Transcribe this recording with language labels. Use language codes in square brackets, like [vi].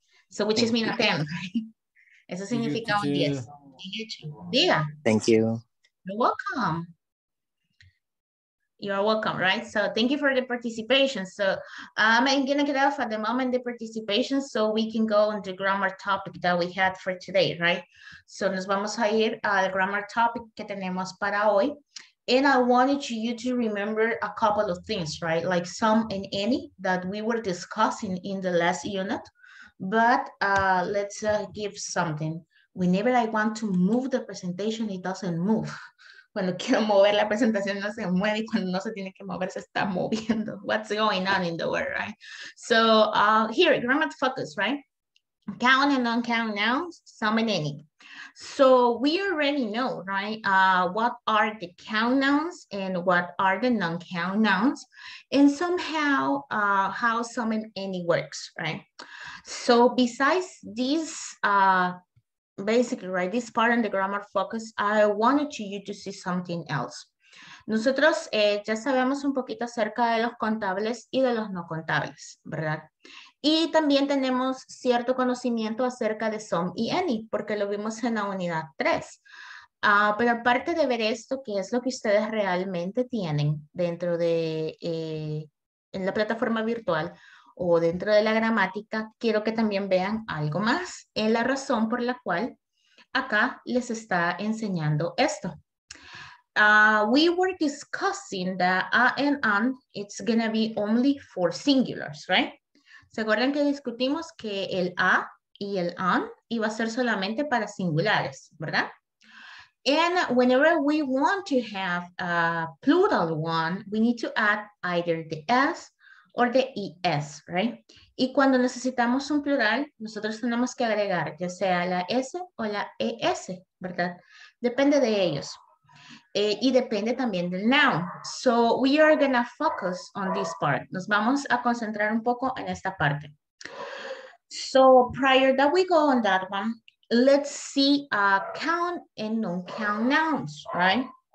[en] So which is mean a 10, right? [es] Eso significa un 10. Diga. [en] Thank you. You're welcome. You're welcome, right? So thank you for the participation. So I'm gonna get off at the moment the participation so we can go on the grammar topic that we had for today, right? [es] So nos vamos a ir al grammar topic que tenemos para hoy. [en] And I wanted you to remember a couple of things, right? Like some and any that we were discussing in the last unit. But let's give something. Whenever I want to move the presentation, it doesn't move. [es] Cuando quiero mover la presentación, no se mueve. Y cuando no se tiene que mover, se está moviendo. [en] What's going on in the world, right? So here, grammar focus, right? Count and non-count nouns, some and any. So we already know, right, what are the count nouns and what are the non-count nouns, and somehow how some and any works, right? So besides this, basically, right, this part in the grammar focus, I wanted you to see something else. [es] Nosotros ya sabemos un poquito acerca de los contables y de los no contables, ¿verdad? Y también tenemos cierto conocimiento acerca de some y any, porque lo vimos en la unidad 3. Pero aparte de ver esto, ¿qué es lo que ustedes realmente tienen dentro de en la plataforma virtual o dentro de la gramática? Quiero que también vean algo más en la razón por la cual acá les está enseñando esto. [en] We were discussing that an, it's going to be only for singulars, right? [es] ¿Se acuerdan que discutimos que el a y el an iba a ser solamente para singulares, verdad? [en] And whenever we want to have a plural one, we need to add either the s or the es, right? [es] Y cuando necesitamos un plural, nosotros tenemos que agregar ya sea la s o la es, ¿verdad? Depende de ellos. Y depende también del noun. [en] So we are gonna focus on this part. [es] Nos vamos a concentrar un poco en esta parte. [en] So prior that we go on that one, let's see count and non-count nouns, right?